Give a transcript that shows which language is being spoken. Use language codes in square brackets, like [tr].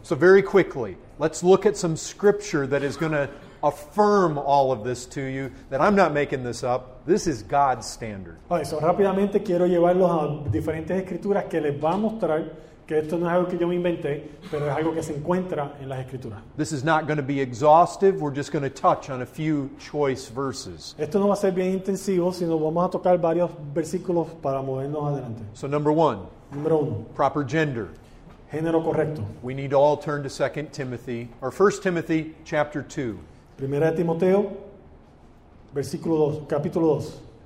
[en] So very quickly, let's look at some scripture that is going to affirm all of this to you, that I'm not making this up. This is God's standard. All right, [es] so rápidamente quiero llevarlos a diferentes escrituras que les va a mostrar que esto no es algo que yo me inventé, pero es algo que se encuentra en las escrituras. [en] This is not going to be exhaustive. We're just going to touch on a few choice verses. [es] Esto no va a ser bien intensivo, sino vamos a tocar varios versículos para movernos adelante. [en] So number one. [es] Número uno. [en] Proper gender. [es] Género correcto. [en] We need to all turn to 2 Timothy, or 1 Timothy chapter 2. [es] Primera de Timoteo, versículo 2, capítulo 2.